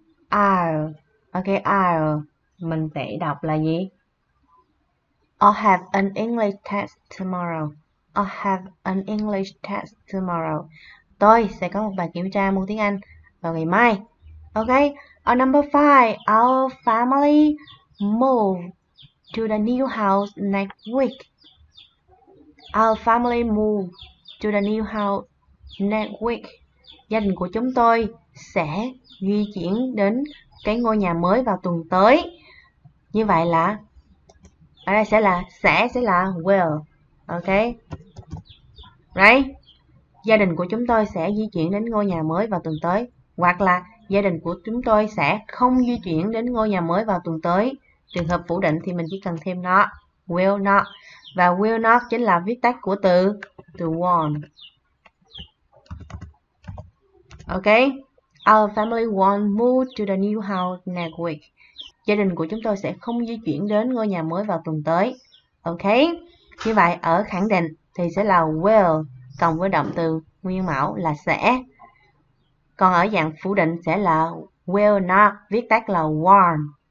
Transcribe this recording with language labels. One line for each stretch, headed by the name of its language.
Vietnamese: I'll. Ok, I'll mình sẽ đọc là gì?
English: I'll have an English test tomorrow. I'll have an English test tomorrow.
Vietnamese: Tôi sẽ có một bài kiểm tra môn tiếng Anh vào ngày mai.
English: Ok. Or number 5. Our family move to the new house next week. Our family move to the new house next week.
Vietnamese: Gia đình của chúng tôi sẽ di chuyển đến cái ngôi nhà mới vào tuần tới. Như vậy là ở đây sẽ là will. Ok. Right. Gia đình của chúng tôi sẽ di chuyển đến ngôi nhà mới vào tuần tới. Hoặc là gia đình của chúng tôi sẽ không di chuyển đến ngôi nhà mới vào tuần tới. Trường hợp phủ định thì mình chỉ cần thêm not. Will not. Và will not chính là viết tắt của từ won't. Ok.
English: Our family won't move to the new house next week.
Vietnamese: Gia đình của chúng tôi sẽ không di chuyển đến ngôi nhà mới vào tuần tới. Ok. Như vậy ở khẳng định thì sẽ là will cộng với động từ nguyên mẫu là sẽ. Còn ở dạng phủ định sẽ là will not, viết tắt là won't.